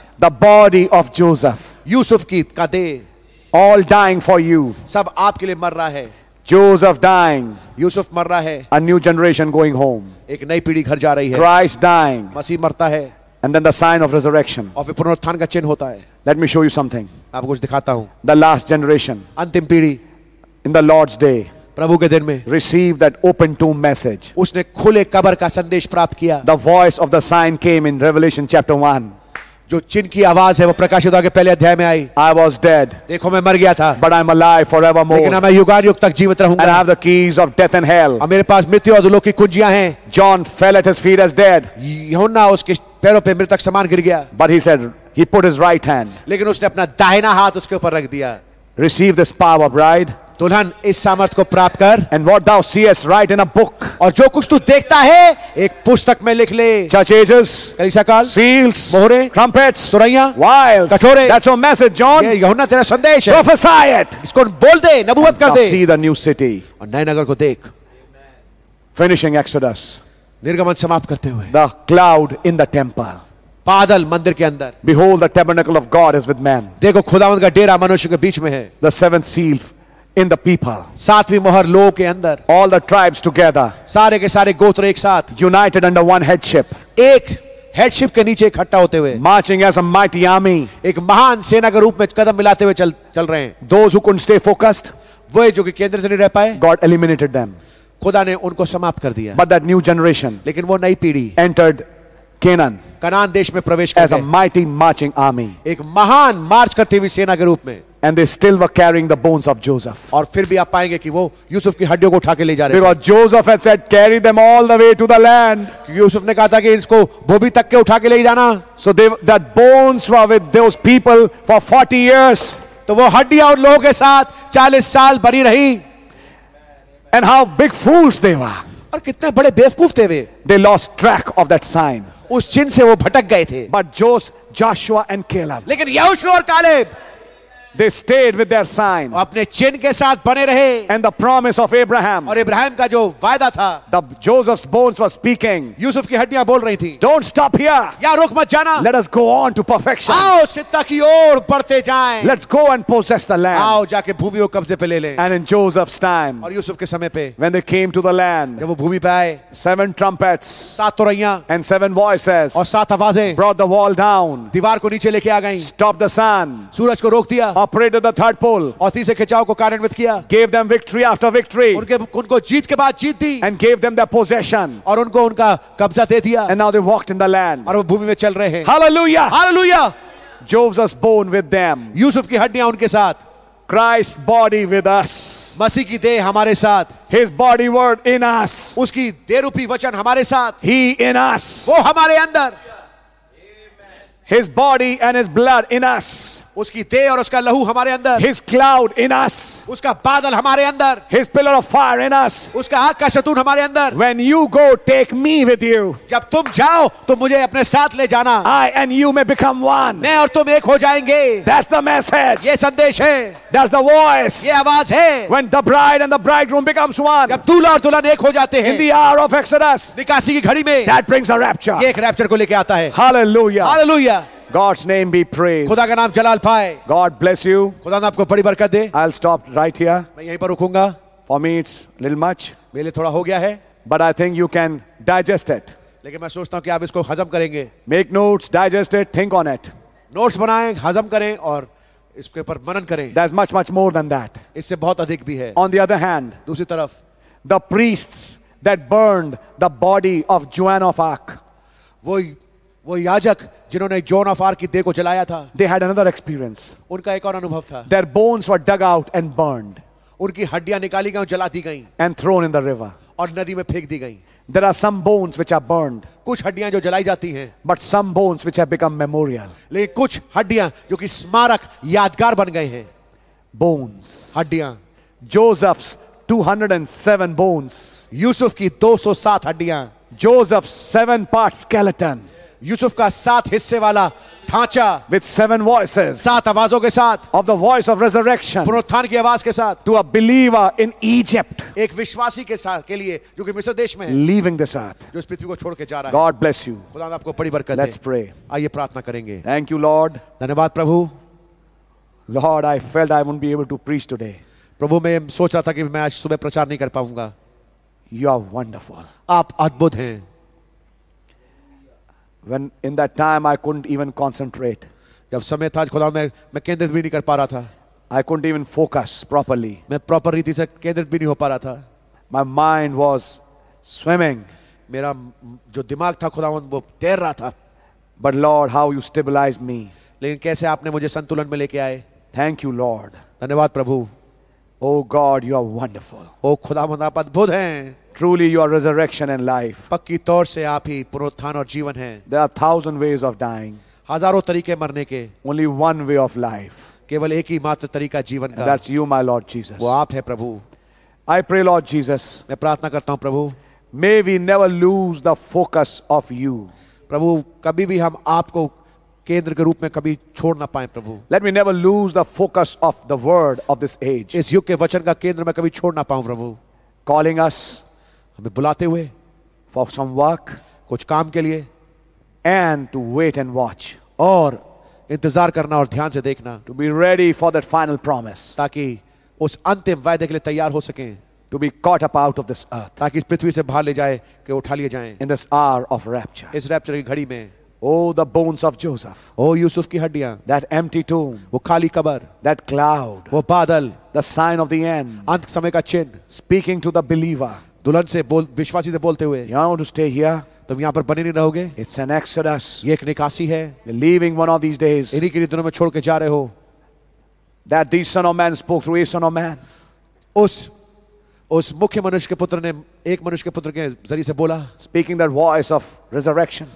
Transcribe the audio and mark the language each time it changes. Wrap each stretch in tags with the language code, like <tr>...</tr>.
<en>the body of Joseph,</en> <hi>Yusuf की का दे.</hi> <en>all dying for you,</en> <hi>सब आपके लिए मर रहा है.</hi> <en>Joseph dying,</en> <hi>यूसुफ मर रहा है.</hi> <en>a new generation going home,</en> <hi>एक नई पीढ़ी घर जा रही है.</hi> <en>Christ dying,</en> <hi>मसीह मरता है.</hi> <en>And then the sign of resurrection.</en> <hi>और पुनरुत्थान का चिन्ह होता है.</hi> <en>Let me show you something.</en> <hi>आप कुछ दिखाता हूँ.</hi> <en>The last generation.</en> <hi>अंतिम पीढ़ी.</hi> <en>In the Lord's day.</en> <hi>प्रभु के दिन में.</hi> <en>Received that open tomb message.</en> <hi>उसने खुले कब्र का संदेश प्राप्त किया.</hi> <en>The voice of the sign came in Revelation chapter 1.</en> <hi>जो चिन्ह की आवाज है वो प्रकाशित होकर पहले अध्याय में आई.</hi> <en>I was dead.</en> <hi>देखो मैं मर गया था.</hi> <en>But I'm alive forevermore.</en> <hi>लेकिन मैं युगानुयुग तक जीवित रहूंगा.</hi> <en>And I have the keys of death and hell.</en> <hi>और मेरे पास मृत्यु और अधोलोक की कुंजियां हैं.</hi> <en>John fell at his feet as dead.</en> <hi>यूहन्ना उसके पैरों पे मृतक समान गिर गया.</hi> <en>But he said he put his right hand.</en> <hi>लेकिन उसने अपना दाहिना हाथ उसके ऊपर रख दिया.</hi> <en>Receive this power, bride.</en> <hi>दुल्हन इस सामर्थ को प्राप्त कर.</hi> <en>And what thou seest, write in a book.</en> <hi>और जो कुछ तू देखता है एक पुस्तक में लिख ले.</hi> <en>Church ages,</en> <hi>कलीसिया काल,</hi> <en>seals,</en> <hi>मोहरे,</hi> <en>trumpets,</en> <hi>सुराइयां,</hi> <en>vials,</en> <hi>कटोरे.</hi> <en>That's your message, John.</en> <hi>ये यूहन्ना तेरा संदेश है.</hi> <en>Prophesy it.</en> <hi>इसको बोल दे, नबुवत कर दे.</hi> <en>See the new city.</en> <hi>और नए नगर को देख.</hi> <en>Finishing Exodus.</en> <hi>निर्गमन समाप्त करते हुए.</hi> <en>The cloud in the temple.</en> <hi>बादल मंदिर के अंदर.</hi> <en>Behold, the tabernacle of God is with man.</en> <hi>देखो खुदावंद का डेरा मनुष्य के बीच में है.</hi> <en>The seventh seal. In the people,</en> <hi>सातवीं मोहर लोगों के अंदर.</hi> <en>All the tribes together,</en> <hi>सारे के सारे गोत्र एक साथ.</hi> <en>United under one headship,</en> <hi>एक headship के नीचे इकट्ठा होते हुए.</hi> <en>Marching as a mighty army,</en> <hi>एक महान सेना के रूप में कदम मिलाते हुए चल रहे हैं.</hi> <en>Those who couldn't stay focused,</en> <hi>वे जो कि केंद्र से नहीं रह पाए.</hi> <en>God eliminated them,</en> <hi>खुदा ने उनको समाप्त कर दिया.</hi> <en>But that new generation,</en> <hi>लेकिन वो नई पीढ़ी.</hi> <en>Entered Canaan,</en> <hi>कनान देश में प्रवेश करके.</hi> <en>As a mighty marching army,</en> <hi>एक महान मार्च करती हुई सेना के रूप में.</hi> <en>And they still were carrying the bones of Joseph.</en> <hi>और फिर भी आप पाएंगे कि वो यूसुफ की हड्डियों को उठा के ले जा रहे हैं.</hi> <en>Because Joseph had said, carry them all the way to the land.</en> <hi>Yusuf ने कहा था कि इसको भूमि तक के उठा के ले जाना.</hi> <en>So they, that bones were with those people for 40 years.</en> <hi>तो वो हड्डियां उन लोगों के साथ 40 साल बनी रही.</hi> <en>And how big fools they were.</en> <hi>और कितने बड़े बेवकूफ थे वे.</hi> <en>They lost track of that sign.</en> <hi>उस चिन्ह से वो भटक गए थे.</hi> <en>But Joshua and Caleb.</en> <hi>लेकिन यहोशुआ और Caleb.</hi> <en>They stayed with their sign.</en> <hi>अपने चिन्ह के साथ बने रहे.</hi> <en>And the promise of Abraham.</en> <hi>और इब्राहिम का जो वायदा था.</hi> <en>The Joseph's bones were speaking.</en> <hi>Yusuf की हड्डियां बोल रही थी.</hi> <en>Don't stop here.</en> <hi>या रुक मत जाना.</hi> <en>Let us go on to perfection.</en> <hi>आओ सिद्धता की ओर बढ़ते जाएं.</hi> <en>Let's go and possess the land.</en> <hi>आओ जाके भूमि को कब्जे पे ले लें.</hi> <en>And in Joseph's time.</en> <hi>और यूसुफ के समय पे.</hi> <en>When they came to the land.</en> <hi>जब वो भूमि पे आए.</hi> <en>Seven trumpets.</en> <hi>सात तुरहियां.</hi> <en>And seven voices.</en> <hi>और सात आवाजें.</hi> <en>Brought the wall down.</en> <hi>दीवार को नीचे लेके आ गईं.</hi> <en>Stop the sun.</en> <hi>सूरज को रोक दिया.</hi> <en>Operated the third pole.</en> <hi>और तीसरे खिंचाव को कार्यान्वित किया.</hi> <en>Gave them victory after victory.</en> <hi>उनके उनको जीत के बाद जीत दी.</hi> <en>And gave them their possession.</en> <hi>और उनको उनका कब्जा दे दिया.</hi> <en>And now they walked in the land.</en> <hi>और वो भूमि में चल रहे हैं.</hi> <en>Hallelujah. Hallelujah. Joseph's bone with them.</en> <hi>Yusuf की हड्डियां उनके साथ.</hi> <en>Christ's body with us.</en> <hi>मसीह की देह हमारे साथ.</hi> <en>His body word in us.</en> <hi>उसकी देह रूपी वचन हमारे साथ.</hi> <en>He in us.</en> <hi>वो हमारे अंदर.</hi> <en>His body and his blood in us.</en> <hi>उसकी दे और उसका लहू हमारे अंदर.</hi> <en>His cloud in us.</en> <hi>उसका बादल हमारे अंदर.</hi> <en>His pillar of fire in us.</en> <hi>उसका आग का शतून हमारे अंदर.</hi> <en>When you go, take me with you.</en> <hi>जब तुम जाओ तो मुझे अपने साथ ले जाना.</hi> <en>I and you may become one.</en> <hi>मैं और तुम एक हो जाएंगे.</hi> <en>That's the message.</en> <hi>ये संदेश है.</hi> <en>That's the voice.</en> <hi>ये आवाज है.</hi> <en>When the bride and the bridegroom becomes one.</en> <hi>जब दूल्हा और दुल्हन एक हो जाते हैं.</hi> <en>In the hour of Exodus.</en> <hi>निकासी की घड़ी में.</hi> <en>That brings a rapture.</en> <hi>ये एक रैप्चर को लेके आता है.</hi> <en>Hallelujah. Hallelujah. God's name be praised.</en> <hi>खुदा का नाम जलाल पाए.</hi> <en>God bless you.</en> <hi>खुदा ने आपको बड़ी बरकत दे.</hi> <en>I'll stop right here.</en> <hi>मैं यहीं पर रुकूंगा.</hi> <en>For me it's little much.</en> <hi>मेरे लिए थोड़ा हो गया है.</hi> <en>But I think you can digest it.</en> <hi>लेकिन मैं सोचता हूँ कि आप इसको हजम करेंगे.</hi> <en>Make notes, digest it, think on it.</en> <hi>Notes बनाएं, हजम करें और इसके ऊपर मनन करें.</hi> <en>There's much much more than that.</en> <hi>इससे बहुत अधिक भी है.</hi> <en>On the other hand,</en> <hi>दूसरी तरफ,</hi> <en>the priests that burned the body of Joan of Arc.</en> <hi>वो याजक जिन्होंने जोन ऑफ आर्क की देह को जलाया था.</hi> <en>They had another experience.</en> <hi>उनका एक और अनुभव था.</hi> <en>Their bones were dug out and burned.</en> <hi>उनकी हड्डियां निकाली गई और जला दी गईं.</hi> <en>And thrown in the river.</en> <hi>और नदी में फेंक दी गईं.</hi> <en>There are some bones which are burned.</en> <hi>कुछ हड्डियां जो जलाई जाती हैं.</hi> <en>But some bones which have become memorial.</en> <hi>लेकिन कुछ हड्डियां जो कि स्मारक यादगार बन गए हैं.</hi> <en>Bones.</en> <hi>हड्डियां.</hi> <en>Joseph's 207 bones.</en> <hi>यूसुफ की 207 हड्डियां.</hi> <en>Joseph's 7-part skeleton.</en> <hi>यूसुफ का सात हिस्से वाला ढांचा.</hi> <en>With seven voices.</en> <hi>सात आवाजों के साथ.</hi> <en>Of the voice of resurrection.</en> <hi>पुनरुत्थान की आवाज के साथ.</hi> <en>To a believer in Egypt.</en> <hi>एक विश्वासी के साथ के लिए जो कि मिस्र देश में.</hi> <en>Leaving this earth.</en> <hi>जो इस पृथ्वी को छोड़ के जा रहा है.</hi> <en>God bless you.</en> <hi>खुदा आपको बड़ी बरकत दे.</hi> <en>Let's pray.</en> <hi>आइए प्रार्थना करेंगे.</hi> <en>Thank you, Lord.</en> <hi>धन्यवाद प्रभु.</hi> <en>Lord, I felt I wouldn't be able to preach today.</en> <hi>प्रभु मैं सोच रहा था कि मैं आज सुबह प्रचार नहीं कर पाऊंगा.</hi> <en>You are wonderful.</en> <hi>आप अद्भुत हैं.</hi> <en>When in that time I couldn't even concentrate.</en> <hi>जब समय था खुदा मैं केंद्रित भी नहीं कर पा रहा था.</hi> <en>I couldn't even focus properly.</en> <hi>मैं प्रॉपर रीति से केंद्रित भी नहीं हो पा रहा था.</hi> <en>My mind was swimming.</en> <hi>मेरा जो दिमाग था खुदावंद वो तैर रहा था.</hi> <en>But Lord, how you stabilized me.</en> <hi>लेकिन कैसे आपने मुझे संतुलन में लेके आए.</hi> <en>Thank you, Lord.</en> <hi>धन्यवाद प्रभु.</hi> <en>Oh God, you are wonderful.</en> <hi>ओ खुदावंद आप अद्भुत हैं.</hi> <en>Truly, you are resurrection and life.</en> <hi>पक्की तौर से आप ही पुनरुत्थान और जीवन हैं.</hi> <en>There are thousand ways of dying.</en> <hi>हजारों तरीके मरने के.</hi> <en>Only one way of life.</en> <hi>केवल एक ही मात्र तरीका जीवन का.</hi> <en>That's you, my Lord Jesus.</en> <hi>वो आप हैं प्रभु.</hi> <en>I pray, Lord Jesus.</en> <hi>मैं प्रार्थना करता हूँ प्रभु.</hi> <en>May we never lose the focus of you.</en> <hi>प्रभु कभी भी हम आपको केंद्र के रूप में कभी छोड़ ना पाएं प्रभु.</hi> <en>Let me never lose the focus of the word of this age.</en> <hi>इस युग के वचन का केंद्र मैं कभी छोड़ ना पाऊं प्रभु.</hi> <en>Calling us.</en> <hi>हमें बुलाते हुए.</hi> <en>For some work.</en> <hi>कुछ काम के लिए.</hi> <en>And to wait and watch.</en> <hi>और इंतजार करना और ध्यान से देखना.</hi> <en>To be ready for that final promise.</en> <hi>ताकि उस अंतिम वायदे के लिए तैयार हो सकें.</hi> <en>To be caught up out of this earth.</en> <hi>ताकि इस पृथ्वी से बाहर ले जाए के उठा लिए जाएं.</hi> <en>In this hour of rapture.</en> <hi>इस रैप्चर की घड़ी में.</hi> <en>Oh, the bones of Joseph.</en> <hi>Oh, Yusuf की हड्डियां.</hi> <en>That empty tomb.</en> <hi>वो खाली कबर.</hi> <en>That cloud.</en> <hi>वो बादल.</hi> <en>The sign of the end.</en> <hi>अंत समय का चिन्ह.</hi> <en>Speaking to the believer.</en> <hi>दुल्हन से बोल विश्वासी से बोलते हुए.</hi> <en>You want to stay here?</en> <hi>तुम यहाँ पर बने नहीं रहोगे.</hi> <en>It's an exodus.</en> <hi>ये एक निकासी है.</hi> <en>Leaving one of these days.</en> <hi>इन्हीं के दिनों में छोड़ के जा रहे हो.</hi> <en>That the son of man spoke through a son of man.</en> <hi>उस मुख्य मनुष्य के पुत्र ने एक मनुष्य के पुत्र के जरिए से बोला.</hi> <en>Speaking that voice of resurrection.</en>